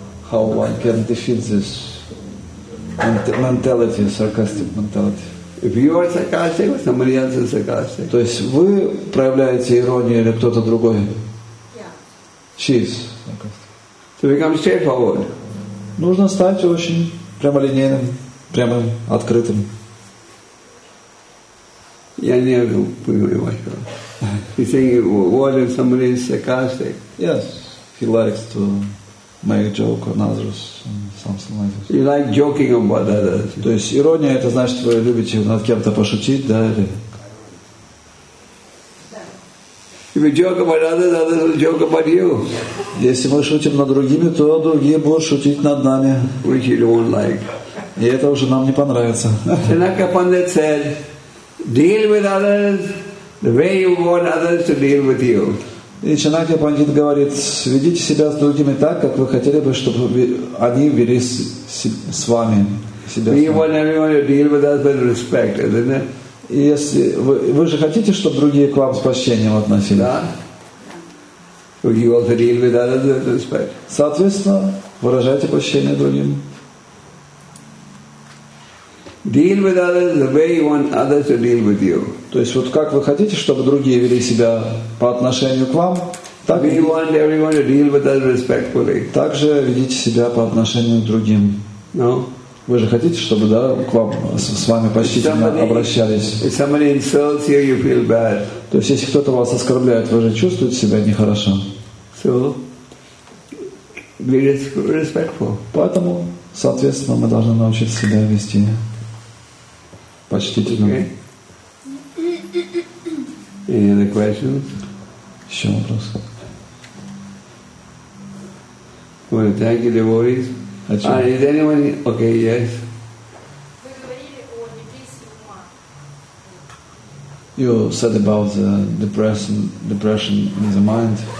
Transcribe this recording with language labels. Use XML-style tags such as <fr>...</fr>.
<en>How one can defeat this mentality, sarcastic mentality. If you are sarcastic, somebody else is sarcastic.</en> <ru>То есть вы проявляете иронию или кто-то другой?</ru> <en>Yeah. She is sarcastic. So become straightforward.</en> <ru>Нужно стать очень прямолинейным, прямым, открытым. Я не понимаю вашего.</ru> <en>You think what if somebody is sarcastic? Yes, he likes to make a joke on others and something like this. You like joking about others.</en> <ru>То есть ирония это значит, вы любите над кем-то пошутить, да?</ru> <en>If you joke about others, others will joke about you.</en> <ru>Если мы шутим над другими, то другие будут шутить над нами.</ru> <en>Which you won't like.</en> <ru>И это уже нам не понравится.</ru> <en>Senaka Pandit said, deal with others the way you want others to deal with you.</en> <ru>И Чанакья Пандит говорит, ведите себя с другими так, как вы хотели бы, чтобы они вели с вами себя.</ru> <en>We want everyone to deal with us with respect, isn't it?</en> <ru>И если вы же хотите, чтобы другие к вам с почтением относились. Да.</ru> <en>So you also deal with others with respect.</en> <ru>Соответственно, выражайте почтение другим.</ru> <en>Deal with others the way you want others to deal with you.</en> <ru>То есть вот как вы хотите, чтобы другие вели себя по отношению к вам, так</ru> <en>we want everyone to deal with us respectfully.</en> <ru>Также ведите себя по отношению к другим.</ru> <en>No?</en> <ru>Вы же хотите, чтобы да, к вам с вами почтительно обращались.</ru> <en>If somebody insults you, you feel bad.</en> <ru>То есть если кто-то вас оскорбляет, вы же чувствуете себя нехорошо.</ru> <en>So, be respectful.</en> <ru>Поэтому, соответственно, мы должны научиться себя вести почтительно.</ru> <en>Okay. Any other questions?</en> <ru>Еще вопрос.</ru> <en>Well, thank you, devotees. А, is anyone? Okay, yes.</en> <ru>Вы говорили о депрессии ума.</ru> <en>You said about the depression in the mind.</en>